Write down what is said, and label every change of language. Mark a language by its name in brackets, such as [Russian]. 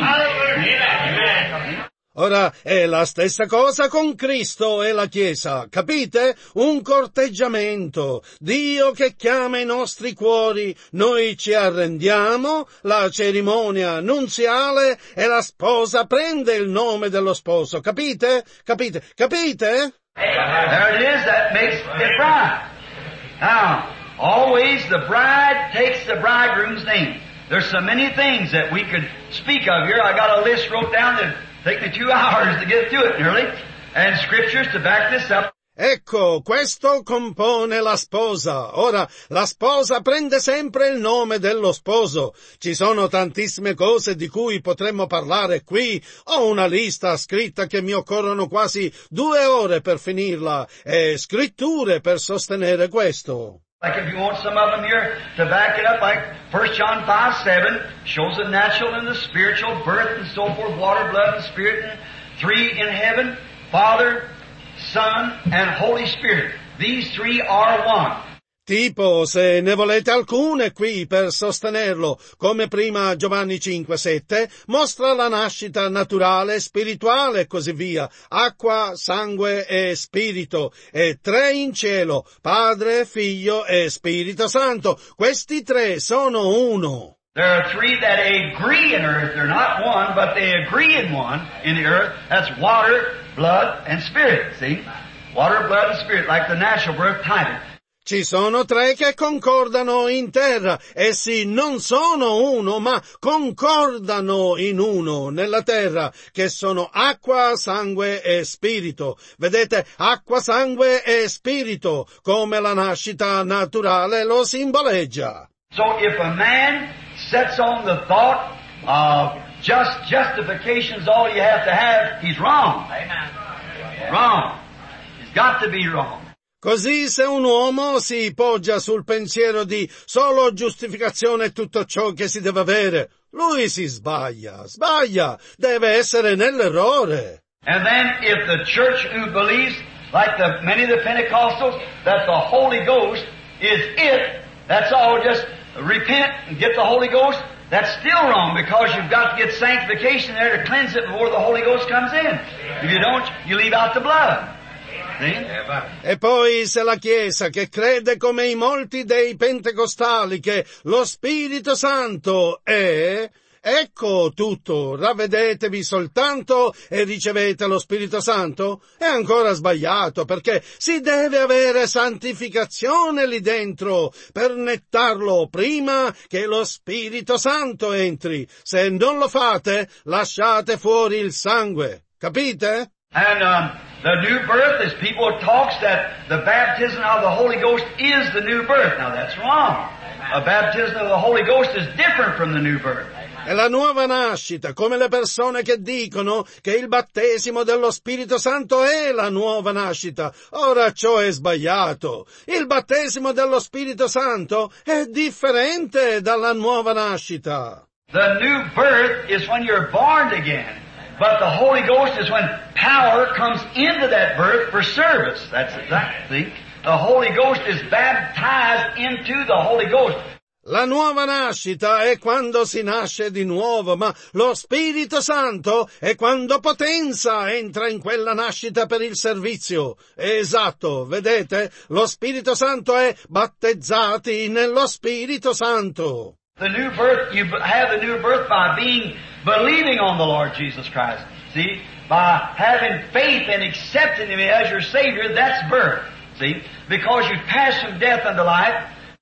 [English] Hallelujah. Amen. [Italian] Ora, è la stessa cosa con Cristo e la Chiesa, capite? Un corteggiamento. Dio che chiama i nostri cuori, noi ci arrendiamo, la cerimonia nuziale e la sposa prende il nome dello sposo, capite? Capite? Capite? [English] There it is, that makes the bride. Now, always the bride takes the bridegroom's name. There's so many things that we could speak of here. I got a list wrote down that take me 2 hours to get to it nearly, and scriptures to back this up. [Italian] Ecco, questo compone la sposa. Ora, la sposa prende sempre il nome dello sposo. Ci sono tantissime cose di cui potremmo parlare qui. Ho una lista scritta che mi occorrono quasi 2 ore per finirla, e scritture per sostenere questo. [English] Like if you want some of them here to back it up, like 1 John 5:7 shows the natural and the spiritual birth and so forth, water, blood and spirit, and 3 in heaven, Father, Son and Holy Spirit. These 3 are one. [Italian] Tipo, se ne volete alcune qui per sostenerlo, come prima Giovanni 5:7, mostra la nascita naturale, spirituale e così via, acqua, sangue e spirito, e 3 in cielo, Padre, Figlio e Spirito Santo. Questi 3 sono uno. [English] There are 3 that agree in earth. They're not one, but they agree in one in the earth. That's water, blood and spirit. See? Water, blood and spirit, like the natural birth title. [Italian] Ci sono 3 che concordano in terra, essi non sono uno, ma concordano in uno, nella terra, che sono acqua, sangue e spirito. Vedete, acqua, sangue e spirito, come la nascita naturale lo simboleggia. [English] So if a man sets on the thought of just justification is all you have, he's wrong. Wrong. He's got to be wrong. [Italian] Così se un uomo si poggia sul pensiero di solo giustificazione è tutto ciò che si deve avere, lui si sbaglia, sbaglia, deve essere nell'errore. [English] And then if the church who believes, like the, many of the Pentecostals, that the Holy Ghost is it, that's all, just repent and get the Holy Ghost, that's still wrong because you've got to get sanctification there to cleanse it before the Holy Ghost comes in. If you don't, you leave out the blood. [Italian] E poi se la Chiesa che crede come i molti dei pentecostali che lo Spirito Santo è, ecco tutto, ravvedetevi soltanto e ricevete lo Spirito Santo, è ancora sbagliato perché si deve avere santificazione lì dentro per nettarlo prima che lo Spirito Santo entri. Se non lo fate, lasciate fuori il sangue, capite? [English] And the new birth is people talks that the baptism of the Holy Ghost is the new birth. Now that's wrong. A baptism of the Holy Ghost is different from the new birth. [Italian] È la nuova nascita, come le persone che dicono che il battesimo dello Spirito Santo è la nuova nascita. Ora ciò è sbagliato. Il battesimo dello Spirito Santo è differente dalla nuova nascita. [English] The new birth is when you're born again. But the Holy Ghost is when power comes into that birth for service. That's exactly. The Holy Ghost is baptized into the Holy Ghost. [Italian] La nuova nascita è quando si nasce di nuovo, ma lo Spirito Santo è quando potenza entra in quella nascita per il servizio. Esatto, vedete? Lo Spirito Santo è battezzati nello Spirito Santo. [English] The new birth, you have the new birth by being believing on the Lord Jesus Christ. See? By having faith and accepting Him as your Savior, that's birth. See? Because you pass from death unto life.